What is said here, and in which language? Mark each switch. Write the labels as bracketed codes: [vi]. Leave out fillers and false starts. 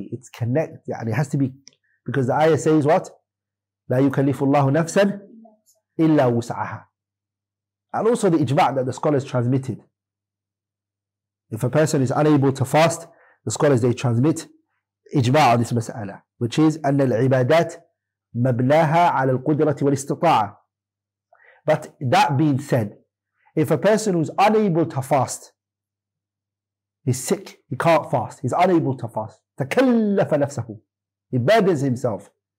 [en] It's connect, يعني has to be, because the ayah says what? [ar] لا يكلف الله نفسا إلا وسعها. [en] And also the إجماع that the scholars transmitted. If a person is unable to fast, the scholars, they transmit إجماع on this مسألة, which is [ar] أن العبادات مبناها على القدرة والاستطاعة. [en] But that being said, if a person who is unable to fast, he's sick, he can't fast, he's unable to fast, [ar] تكلف نفسه, [en] he burdens himself.